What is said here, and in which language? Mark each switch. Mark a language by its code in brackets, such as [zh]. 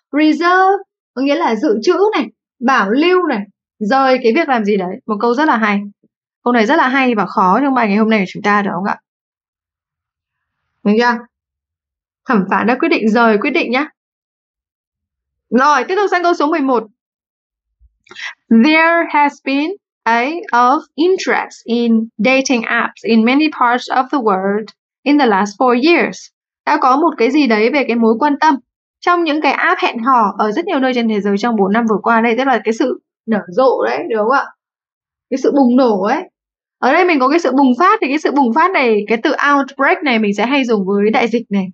[vi] Reserve có nghĩa là dự trữ này, bảo lưu này, rời cái việc làm gì đấy. Một câu rất là hay. Câu này rất là hay và khó trong bài ngày hôm nay của chúng ta, được không ạ? Được chưa? Thẩm phán đã quyết định rời quyết định nhá. Rồi, tiếp tục sang câu số 11. [en] There has been a of interest in dating apps in many parts of the world in the last 4 years. [vi] Đã có một cái gì đấy về cái mối quan tâm trong những cái app hẹn hò ở rất nhiều nơi trên thế giới trong 4 năm vừa qua đây, tức là cái sự nở rộ đấy, đúng không ạ? Cái sự bùng nổ ấy. Ở đây mình có cái sự bùng phát, thì cái sự bùng phát này, cái từ outbreak này mình sẽ hay dùng với đại dịch này.